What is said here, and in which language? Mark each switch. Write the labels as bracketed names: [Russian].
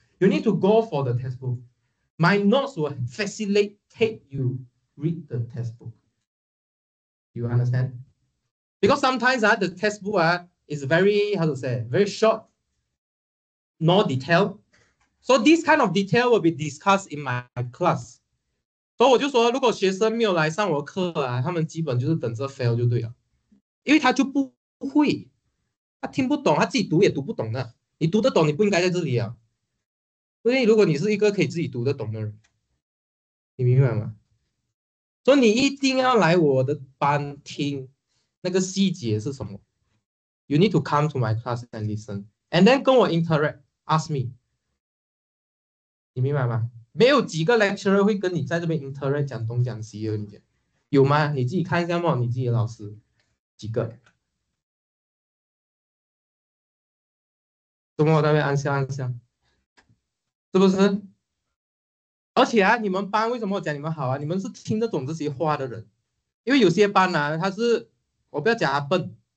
[English] You need to go for the textbook. My notes will facilitate you read the textbook. You understand？ Because sometimes the textbook It's very, how to say, very short, no detail. So this kind of detail will be discussed in my class. [Chinese] So 我就说，如果学生没有来上我课啊，他们基本就是等着 fail 就对了，因为他就不会，他听不懂，他自己读也读不懂的。你读得懂，你不应该在这里啊。所以如果你是一个可以自己读得懂的人，你明白吗？所以你一定要来我的班听，那个细节是什么。 [English] You need to come to my class and listen, and then [Chinese] 跟我 [English] interact, ask me. [Chinese] 你明白吗？没有几个 lecturer 会跟你在这边 interact 讲东讲西的，你有吗？你自己看一下嘛，你自己的老师几个？怎么我那边按下，是不是？而且啊，你们班为什么我讲你们好啊？你们是听得懂这些话的人，因为有些班啊，他是我不要讲他笨。